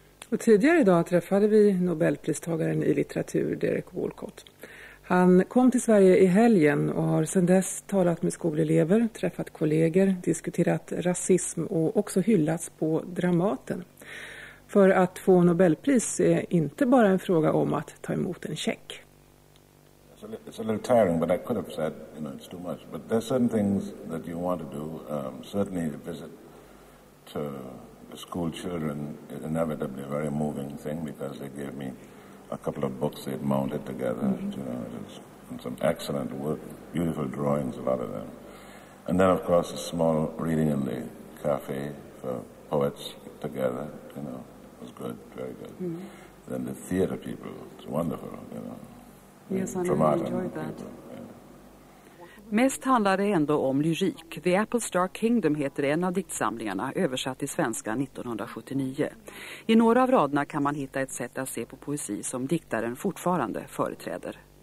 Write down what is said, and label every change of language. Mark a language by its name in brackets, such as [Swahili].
[Swedish] Och tidigare idag träffade vi Nobelpristagaren i litteratur, Derek Walcott. Han kom till Sverige i helgen och har sedan dess talat med skolelever, träffat kollegor, diskuterat rasism och också hyllats på Dramaten. För att få Nobelpris är inte bara en fråga om att ta emot en check. [English] It's a little tiring, but I could have said, you know, it's too much. But there's certain things that you want to do, certainly a visit to... School children is inevitably a very moving thing because they gave me a couple of books they'd mounted together, you know, and some excellent work, beautiful drawings, a lot of them. And then, of course, a small reading in the cafe for poets together, you know, was good, very good. Mm. Then the theater people, it's wonderful, you know. Yes, I really enjoyed that. [Swedish] Mest handlar det ändå om lyrik. The Apple Star Kingdom heter en av diktsamlingarna, översatt till svenska 1979. I några av raderna kan man hitta ett sätt att se på poesi som diktaren fortfarande företräder.